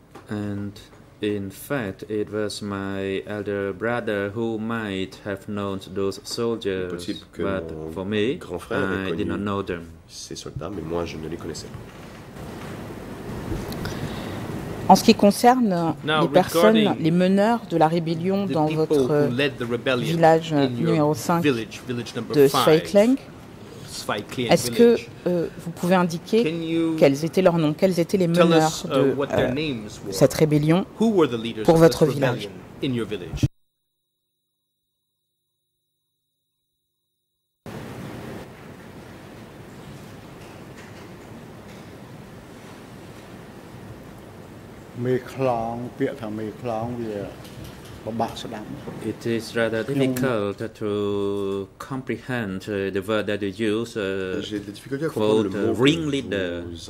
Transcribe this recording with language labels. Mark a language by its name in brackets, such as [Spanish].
[English] And in fact, it was my elder brother who might have known those soldiers. But for me, I did not know them. [French] Ces soldats, mais moi, je ne les connaissais pas. En ce qui concerne les personnes, les meneurs de la rébellion dans votre village numéro 5 de Sveitling, Est-ce que vous pouvez indiquer quels étaient leurs noms, quels étaient les meneurs de cette rébellion pour votre village? [English] It is rather difficult to comprehend the word that you use, called ringleader,